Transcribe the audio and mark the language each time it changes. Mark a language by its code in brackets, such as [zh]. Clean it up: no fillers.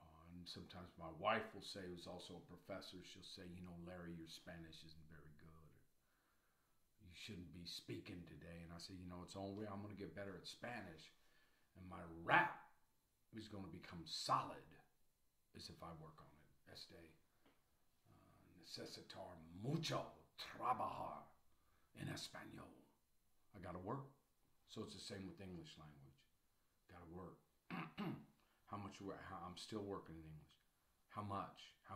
[en] And sometimes my wife will say, who's also a professor, she'll say, you know, Larry, your Spanish isn't very good. You shouldn't be speaking today. And I say, you know, it's the only way I'm going to get better at Spanish. And my rap is going to become solid as if I work on it. [es] Este necesitar mucho trabajar en español. [en] I got to work. So it's the same with English language. Got to work. How much? I'm still working in English. How much?